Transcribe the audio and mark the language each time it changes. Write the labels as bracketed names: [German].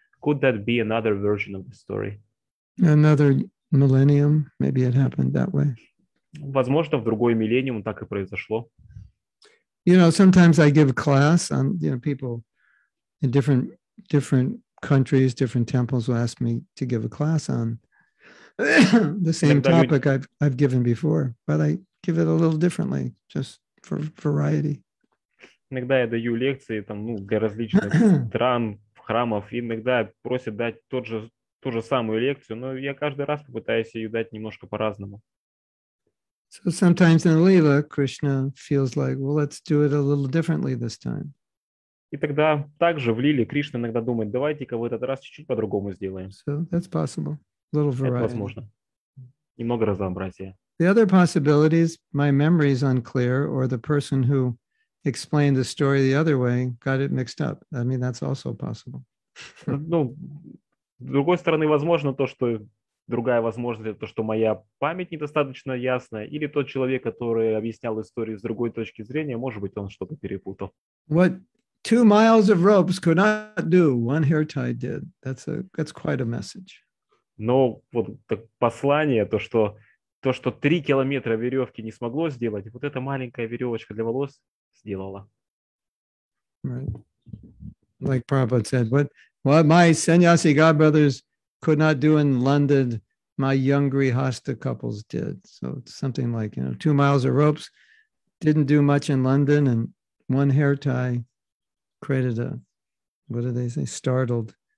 [English] Could that be another version of the story? Another millennium, maybe it happened that way. [Russian] Возможно, в другой миллениум так и произошло. [English] You know, sometimes I give class on, you know, people in different countries, different temples will ask me to give a class on the same topic I've given before, but I give it a little differently, just for variety. [Russian] Иногда я даю лекции там, ну, для различных стран, храмов, и иногда просят дать ту же самую лекцию, но я каждый раз попытаюсь ее дать немножко по-разному. [English] So sometimes in Lila, Krishna feels like, well, let's do it a little differently this time. [Russian] И тогда также в Лиле Кришна иногда думает, давайте-ка в этот раз чуть-чуть по-другому сделаем. [English] So that's possible. A little variety. [Russian] Это возможно. Немного разнообразия. [English] The other possibilities, my memory is unclear, or the person who explained the story the other way got it mixed up. I mean, that's also possible. [Russian] Ну, с другой стороны, возможно то, что другая возможность, это то, что моя память недостаточно ясная, или тот человек, который объяснял историю с другой точки зрения, может быть, он что-то перепутал. [English] What 2 miles of ropes could not do, one hair tie did. That's quite a message. [Russian] Но вот так послание, то, что 3 километра веревки не смогло сделать, вот эта маленькая веревочка для волос сделала. [English] Right. Like Prabhupada said, what my sannyasi godbrothers could not do in London, my young grihasta couples did. So it's something like, you know, 2 miles of ropes didn't do much in London, and one hair tie created a, what do they say, startled.